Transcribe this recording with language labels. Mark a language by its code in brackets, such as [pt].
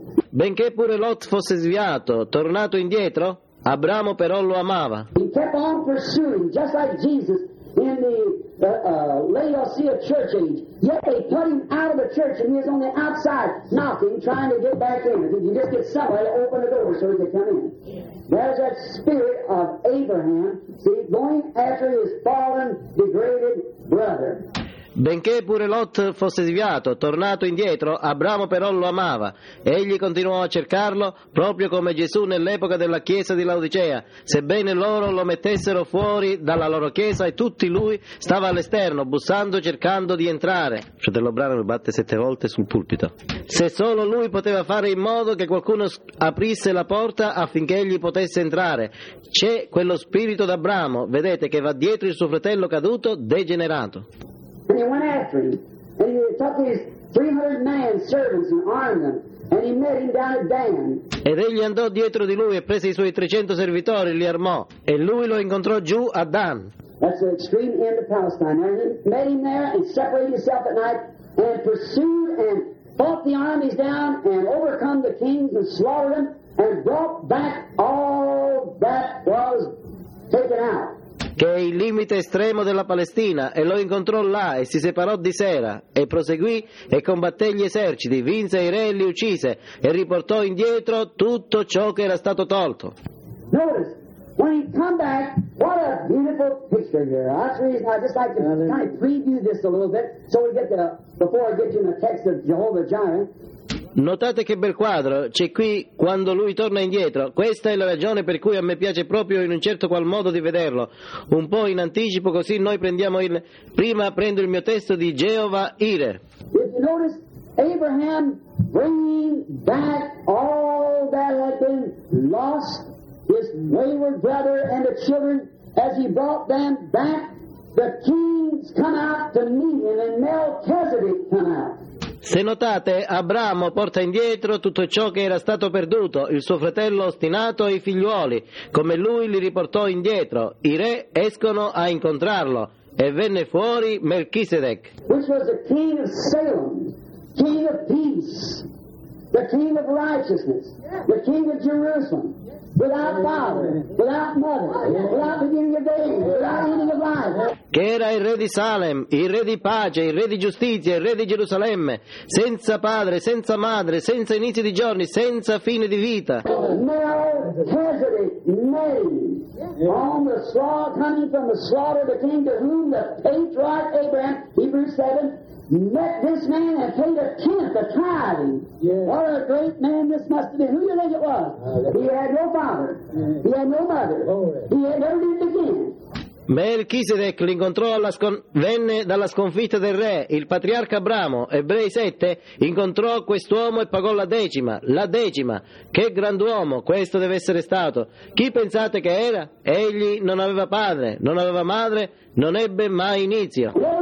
[it] Benché pure Lot fosse sviato, tornato indietro, Abramo però lo amava. [en] He kept on pursuing, just like Jesus in the Laodicea church age. Yet they put him out of the church and he was on the outside knocking, trying to get back in. If he could just get somebody to open the door so he could come in. There's that spirit of Abraham, see, going after his fallen, degraded brother. [it] Benché pure Lot fosse sviato, tornato indietro, Abramo però lo amava. Egli continuò a cercarlo, proprio come Gesù nell'epoca della chiesa di Laodicea. Sebbene loro lo mettessero fuori dalla loro chiesa e tutti lui stava all'esterno, bussando, cercando di entrare. Fratello Branham mi batte 7 volte sul pulpito. Se solo lui poteva fare in modo che qualcuno aprisse la porta affinché egli potesse entrare. C'è quello spirito d'Abramo, vedete, che va dietro il suo fratello caduto, degenerato. [en] And he went after him, and he took his 300 men, servants, and armed them, and he met him down at Dan. [it] Ed egli andò dietro di lui e prese i suoi 300 servitori, li armò, e lui lo incontrò giù a Dan. [en] That's the extreme end of Palestine. And he met him there and separated himself at night and pursued and fought the armies down and overcome the kings and slaughtered them and brought back all that was taken out. [it] Che è il limite estremo della Palestina, e lo incontrò là e si separò di sera e proseguì e combatté gli eserciti, vinse i re e li uccise e riportò indietro tutto ciò che era stato tolto. [en] Notice, when he come back, what a beautiful picture here. That's the reason I just like to kind of preview this a little bit so we get to, before I get to the text of Jehovah Jireh. [it] Notate che bel quadro c'è qui quando lui torna indietro. Questa è la ragione per cui a me piace proprio in un certo qual modo di vederlo un po' in anticipo, così noi prendiamo il prima prendo il mio testo di Jehovah Ire. [en] If you notice Abraham bringing back all that had been lost, his wayward brother and the children, as he brought them back, the kings come out to meet him and Melchizedek come out. [it] Se notate, Abramo porta indietro tutto ciò che era stato perduto, il suo fratello ostinato e i figliuoli, come lui li riportò indietro. I re escono a incontrarlo, e venne fuori Melchizedek. [en] Which was the king of Salem, king of peace, the king of righteousness, the king of Jerusalem, without father, without mother, without beginning of day, without ending of life. [it] Che era il re di Salem, il re di pace, il re di giustizia, il re di Gerusalemme, senza padre, senza madre, senza inizio di giorni, senza fine di vita. [en] Melchizedek, on the slaughter, coming from the slaughter of the king to whom the patriarch Abraham, Hebrews 7, met this man and paid a tenth, a tithe. What a great man this must have been. Who do you think it was? He had no father. He had no mother. He had never lived again. [it] Melchizedek l'incontrò alla venne dalla sconfitta del re, il patriarca Abramo, Ebrei 7, incontrò quest'uomo e pagò la decima, che grand'uomo questo deve essere stato, chi pensate che era? Egli non aveva padre, non aveva madre, non ebbe mai inizio.